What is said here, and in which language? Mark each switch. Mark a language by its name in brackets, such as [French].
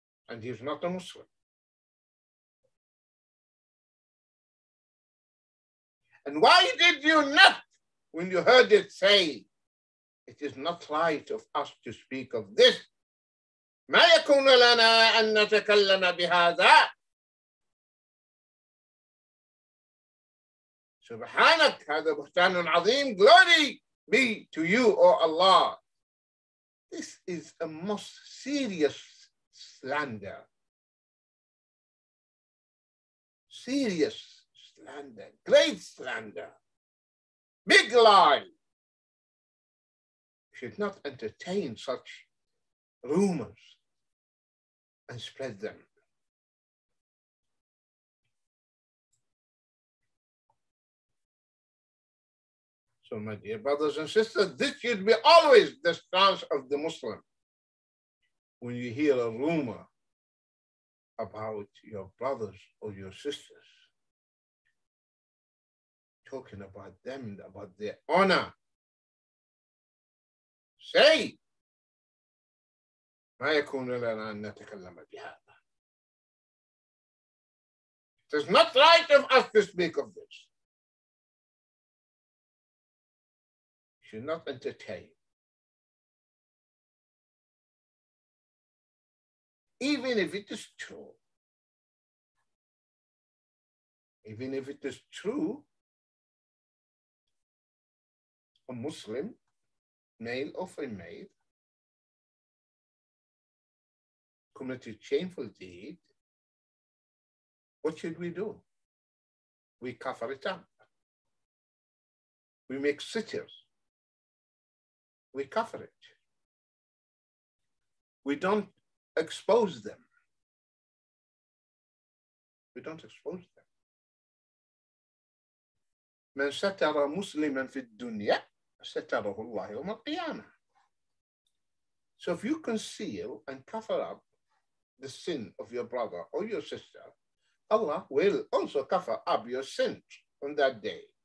[English] And he's not a Muslim. And why did you not, when you heard it, say, it is not right of us to speak of this? [Arabic] ما يكون لنا أن نتكلم بهذا. سبحانك هذا بهتان عظيم. [English] Glory be to you, O Allah. This is a most serious slander. Serious slander, great slander, big lie. You should not entertain such rumors and spread them. So, my dear brothers and sisters, this should be always the stance of the Muslim when you hear a rumor about your brothers or your sisters, talking about them, about their honor. Say, [Arabic] ما يكون لنا أن نتكلم بهذا. [English] It is not right of us to speak of this. You should not entertain. Even if it is true. Even if it is true, a Muslim, male or female, committed shameful deed, what should we do? We cover it up. We make sitters. We cover it. We don't expose them. We don't expose them. [Arabic] من ستر مسلما في الدنيا ستره الله يوم القيامة. [English] So if you conceal and cover up the sin of your brother or your sister, Allah will also cover up your sins on that day.